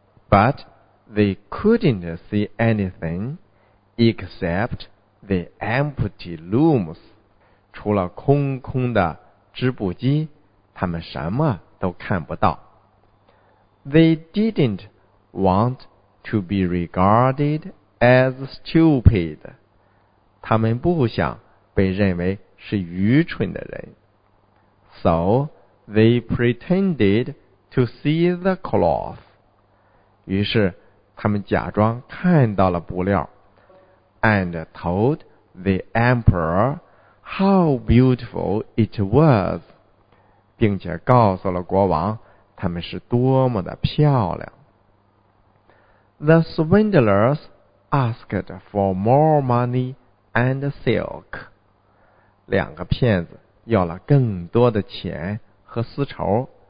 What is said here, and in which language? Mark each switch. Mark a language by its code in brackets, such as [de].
[en] But they couldn't see anything except the empty looms. [zh] 除了空空的织布机，他们什么都看不到。 [en] They didn't want to be regarded as stupid. [zh] 他们不想被认为是愚蠢的人。 [en] So they pretended to see the cloth. [zh] 于是他们假装看到了布料。 [en] And told the emperor how beautiful it was. [zh] 并且告诉了国王他们是多么的漂亮。 [en] The swindlersasked for more money and silk. [zh] 两个骗子要了更多的钱和丝绸。